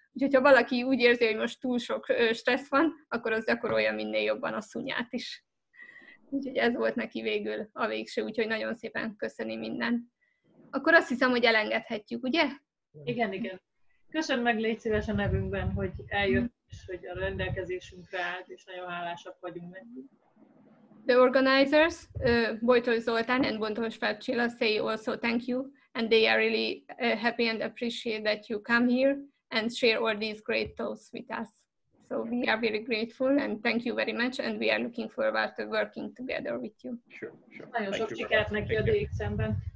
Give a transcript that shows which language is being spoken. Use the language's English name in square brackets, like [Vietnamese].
[Hungarian] Úgyhogy ha valaki úgy érzi, hogy most túl sok stressz van, akkor az gyakorolja minél jobban a szunyát is. Úgyhogy ez volt neki végül a végső, úgyhogy nagyon szépen köszöni minden. Akkor azt hiszem, hogy elengedhetjük, ugye? Igen, igen. Köszönöm meg, légy szíves a nevünkben, hogy eljött, és hogy a rendelkezésünkre állt, és nagyon hálásak vagyunk neki. [English] The organizers, Bojtos Zoltán and Bontos Felcsilla say also thank you, and they are really happy and appreciate that you come here and share all these great thoughts with us. So we are very grateful and thank you very much, and we are looking forward to working together with you. Sure, sure. [Hungarian] Nagyon sok sikert neki a DXN-ben.